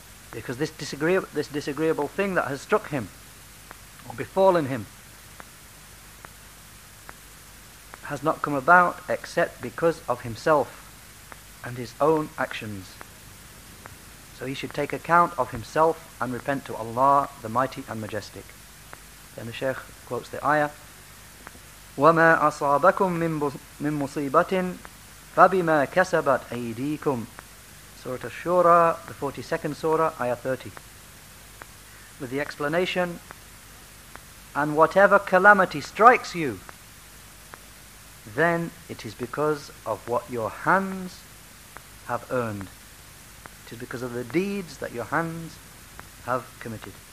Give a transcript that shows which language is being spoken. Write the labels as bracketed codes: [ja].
[en] Because this disagreeable thing that has struck him or befallen him has not come about except because of himself and his own actions. So he should take account of himself and repent to Allah, the Mighty and Majestic. Then the Shaykh quotes the ayah, [ar] وَمَا أَصَابَكُمْ مِنْ مُصِيبَةٍ فَبِمَا كَسَبَتْ أَيْدِيكُمْ. [en] Surah Ash-Shura, the 42nd Surah, Ayah 30. With the explanation, and whatever calamity strikes you, then it is because of what your hands have earned. It is because of the deeds that your hands have committed.